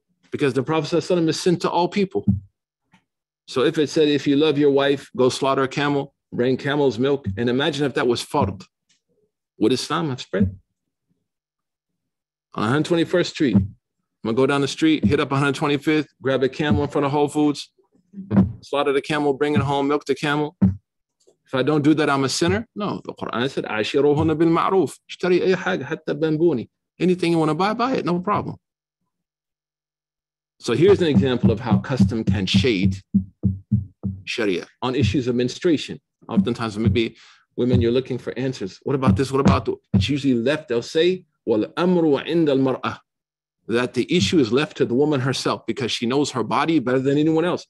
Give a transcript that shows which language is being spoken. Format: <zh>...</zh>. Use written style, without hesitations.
<en>Because the Prophet ﷺ is sent to all people. So if it said, if you love your wife, go slaughter a camel, bring camel's milk, and imagine if that was fard, would Islam have spread? On 121st Street, I'm going to go down the street, hit up 125th, grab a camel in front of Whole Foods, slaughter the camel, bring it home, milk the camel. If I don't do that, I'm a sinner? No, the Quran said,</en> <ar>عَشِرُهُنَّ بِالْمَعْرُوفِ اشْتَرِي أَيْ حَاجَ حَتَّى بَنْبُونِ.</ar> <en>Anything you want to buy, it, no problem. So here's an example of how custom can shade sharia. On issues of menstruation, oftentimes maybe women, you're looking for answers. What about this? What about the? It's usually left, they'll say,</en> <ar>وَالْأَمْرُ عِنْدَ الْمَرْأَةِ,</ar> <en>that the issue is left to the woman herself because she knows her body better than anyone else.</en>